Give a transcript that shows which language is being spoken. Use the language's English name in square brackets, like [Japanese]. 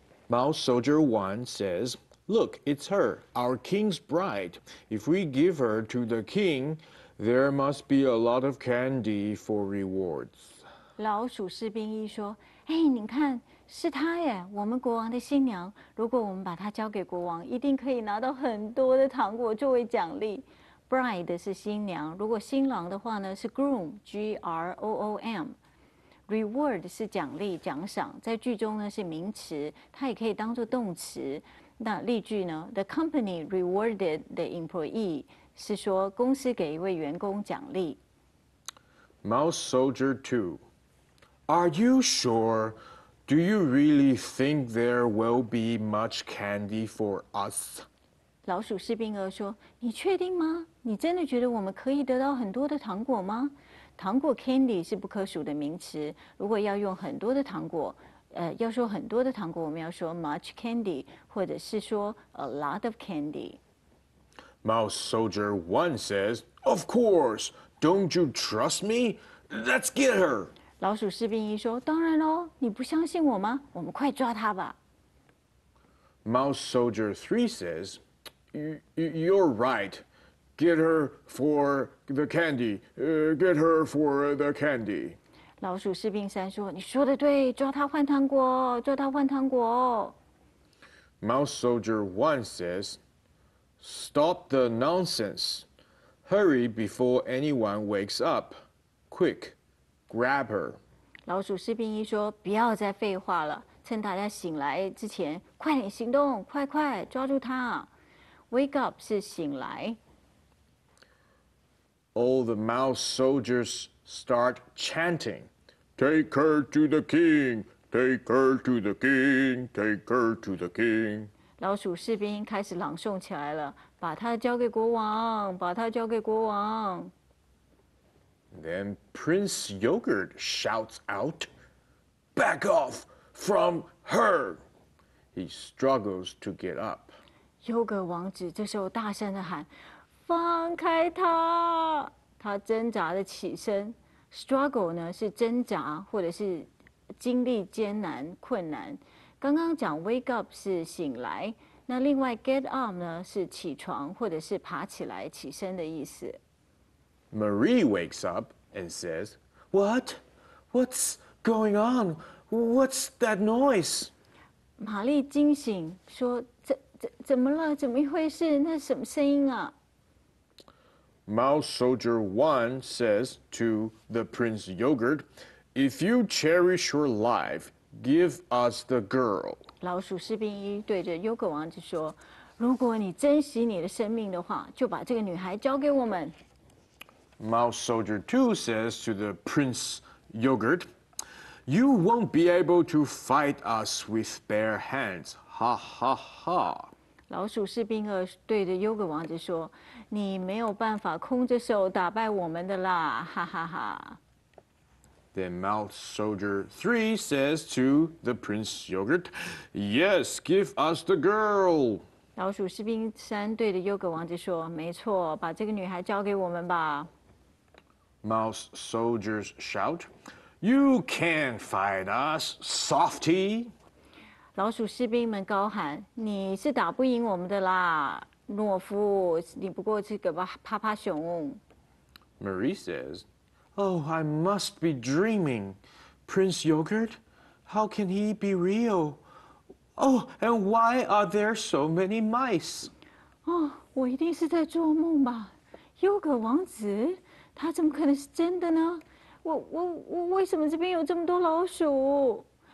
[English] Mouse soldier one says, "Look, it's her, our king's bride. If we give her to the king, there must be a lot of candy for rewards." [Chinese] 老鼠士兵一说，哎，你看，是他耶，我们国王的新娘。如果我们把她交给国王，一定可以拿到很多的糖果作为奖励。 Bride 是新娘，如果新郎的话呢，是 groom, G-R-O-O-M。 Reward 是奖励、奖赏，在句中呢是名词，它也可以当作动词。那例句呢 ？ [English] The company rewarded the employee [Chinese] 是说公司给一位员工奖励。 [English] Mouse Soldier 2 Are you sure? Do you really think there will be much candy for us? [Chinese] 老鼠士兵二说：“你确定吗？你真的觉得我们可以得到很多的糖果吗？” 糖果 candy 是不可数的名词。如果要用很多的糖果，要说很多的糖果，我们要说 [English] much candy， [Chinese] 或者是说 [English] a lot of candy。 Mouse Soldier 1 says, "Of course, don't you trust me? Let's get her." [Chinese] 老鼠士兵一说：“当然喽，你不相信我吗？我们快抓他吧。 [English] ”Mouse Soldier 3 says, "You're right. Get her for the candy. Get her for the candy. [Chinese] 老鼠士兵三说：“你说的对，抓他换糖果，抓他换糖果。” [English] Mouse Soldier 1 says, "Stop the nonsense. Hurry before anyone wakes up. Quick, grab her." [Chinese] 老鼠士兵一说：“不要再废话了，趁大家醒来之前，快点行动，快快抓住他。” Wake up 是醒来。 [English] All the mouse soldiers start chanting, "Take her to the king! Take her to the king! Take her to the king!" [Chinese] 老鼠士兵开始朗诵起来了，把他交给国王，把他交给国王。 [English] Then Prince Yogurt shouts out, "Back off from her!" He struggles to get up. [Chinese] 优格王子这时候大声地喊。放开他！他挣扎的起身。 Struggle 呢是挣扎，或者是经历艰难、困难。刚刚讲 [English] wake up [Chinese] 是醒来，那另外 [English] get up [Chinese] 呢是起床，或者是爬起来、起身的意思。 [English] Marie wakes up and says, "What? What's going on? What's that noise?" [Chinese] 玛丽惊醒，说：“怎么了？怎么一回事？那什么声音啊？” [English] Mouse Soldier 1 says to the Prince Yogurt, "If you cherish your life, give us the girl." [Chinese] 老鼠士兵一对着优格王子说，如果你珍惜你的生命的话，就把这个女孩交给我们。 [English] Mouse Soldier 2 says to the Prince Yogurt, "You won't be able to fight us with bare hands, ha ha ha." [Chinese] 老鼠士兵二对着优格王子说，你没有办法空着手打败我们的啦，哈哈哈。 [English] Then Mouse Soldier 3 says to the Prince Yogurt, "Yes, give us the girl." [Chinese] 老鼠士兵三对着优格王子说，没错，把这个女孩交给我们吧。 [English] Mouse Soldiers shout, "You can't fight us, softy." [Chinese] 老鼠士兵们高喊，你是打不赢我们的啦。懦夫，你不过是个趴趴熊。 [English] Marie says, "Oh, I must be dreaming. Prince Yogurt, how can he be real? Oh, and why are there so many mice?" [Chinese] 哦，我一定是在做梦吧？优格王子，他怎么可能是真的呢？我为什么这边有这么多老鼠？